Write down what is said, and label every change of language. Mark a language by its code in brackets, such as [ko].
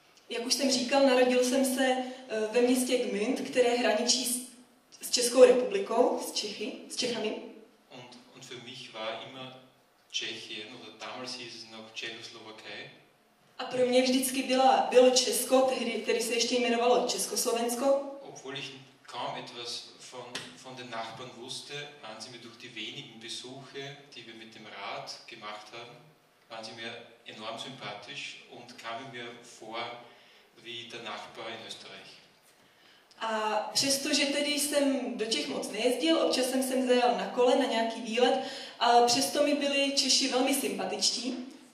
[cs] Jak už jsem říkal, narodil jsem se ve městě Gmünd, které hraničí s Českou republikou, s Čechami. [de] Und für mich war immer Tschechien oder damals hieß es noch Tschechoslowakei. [cs] A pro mě vždycky bylo Česko, tehdy, které se ještě jmenovalo Československo. [de] Obwohl ich kaum etwas von den Nachbarn wusste, waren sie mir durch die wenigen Besuche, die wir mit dem Rat gemacht haben, waren sie mir enorm sympathisch und kamen mir vor wie der Nachbar in Österreich. [cs] A přestože tedy jsem do Čech moc nejezdil, občas jsem se zajel na kole na nějaký výlet, a přesto mi byli Češi velmi sympatičtí.